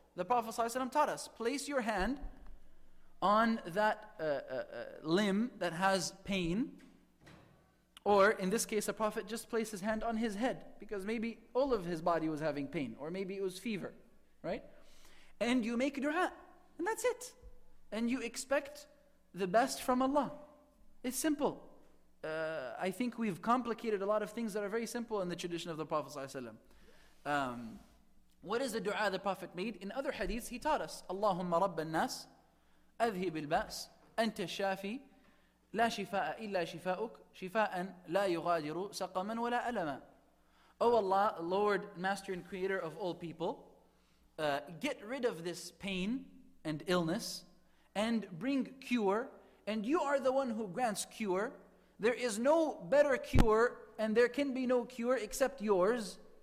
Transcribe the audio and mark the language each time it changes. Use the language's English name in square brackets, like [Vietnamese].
[English] The Prophet ﷺ taught us, place your hand on that limb that has pain, or in this case, the Prophet just placed his hand on his head because maybe all of his body was having pain, or maybe it was fever, right? And you make dua, and that's it. And you expect the best from Allah. It's simple. I think we've complicated a lot of things that are very simple in the tradition of the Prophet ﷺ. What is the dua the Prophet made? In other hadiths, he taught us, [Arabic] Allahumma rabban nas, أذهب البأس أنت الشافي لا شفاء إلا شفاءك شفاء لا يغادر سقما ولا ألما. [English] Oh Allah, Lord, Master and Creator of all people, get rid of this pain and illness and bring cure, and you are the one who grants cure. There is no better cure and there can be no cure except yours.